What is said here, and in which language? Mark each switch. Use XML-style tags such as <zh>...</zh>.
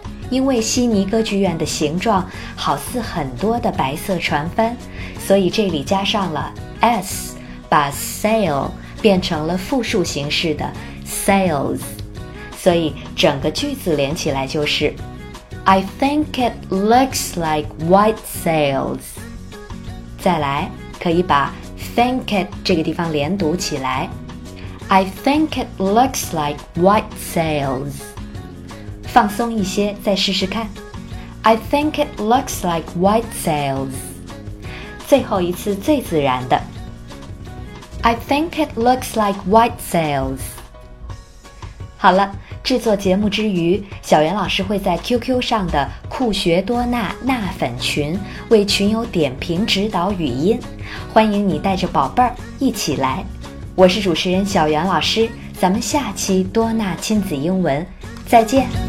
<zh>因为悉尼歌剧院的形状好似很多的白色船帆，所以这里加上了 s， 把 sail 变成了复数形式的 sails， 所以整个句子连起来就是</zh> <en>I think it looks like white sails。</en> <zh>再来可以把 think it 这个地方连读起来</zh> <en>I think it looks like white sails。</en> <zh>放松一些再试试看。</zh> <en>I think it looks like white sails.</en> <zh>最后一次最自然的。</zh> <en>I think it looks like white sails.</en> <zh>好了，制作节目之余，小袁老师会在 QQ 上的酷学多纳纳粉群为群友点评指导语音，欢迎你带着宝贝儿一起来。我是主持人小袁老师，咱们下期多纳亲子英文再见。</zh>